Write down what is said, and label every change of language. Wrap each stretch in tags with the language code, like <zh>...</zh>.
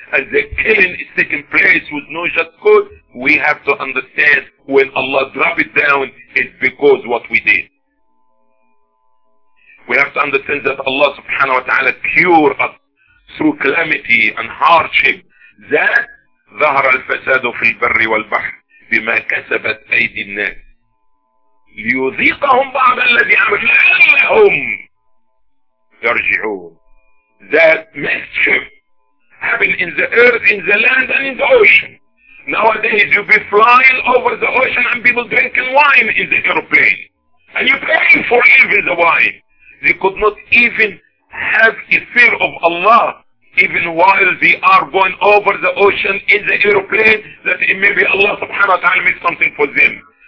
<en>And the killing is taking place with no just cause. We have to understand when Allah drop it down, it's because what we did. We have to understand that Allah subhanahu wa ta'ala cure us through calamity and hardship.</en> <ar>That ظهر الفساد في البر والبحر بما كسبت أيدي الناس ليذيقهم بعض الذي عمل لعلهم يرجعون.</ar> <en>That mischief happened in the earth, in the land and in the ocean. Nowadays you'll be flying over the ocean and people drinking wine in the airplane. And you're paying for even the wine. They could not even have a fear of Allah even while they are going over the ocean in the aeroplane, that maybe Allah subhanahu wa ta'ala made something for them.</en>